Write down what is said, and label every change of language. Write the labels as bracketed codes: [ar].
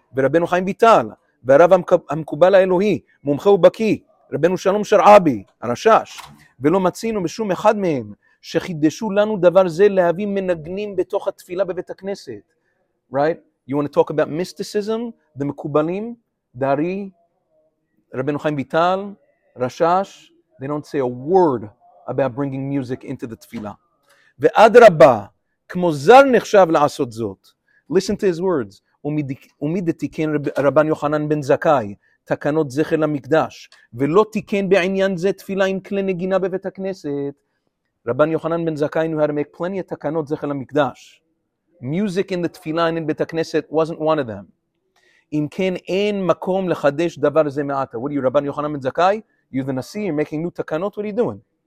[he] ורבנו חיים ויטל, והרב המקובל האלוהי, מומחה ובקי, רבנו שלום שרעבי, הרשש, ולא מצינו בשום אחד מהם, שחידשו לנו דבר זה להביא מנגנים בתוך התפילה בבית הכנסת. [en] Right? You want to talk about mysticism? The מקובלים, דארי, רבנו חיים ויטל, רשש, they don't say a word about bringing music into the תפילה. [he] ועד רבה, כמו זר נחשב לעשות זאת. [en] Listen to his words. [he] ומיד תיקן רבן יוחנן בן זכאי תקנות זכר למקדש ולא תיקן בעניין זה תפילה עם כלי נגינה בבית הכנסת רבן יוחנן בן זכאי [en] knew how to make plenty of [he] תקנות זכר למקדש [en] music in the תפילה and in בית הכנסת wasn't one of them [he] אם כן אין מקום לחדש דבר זה מעטה [en] what are you [he] רבן יוחנן בן זכאי [en] you're the Nasi you're making new תקנות what are you doing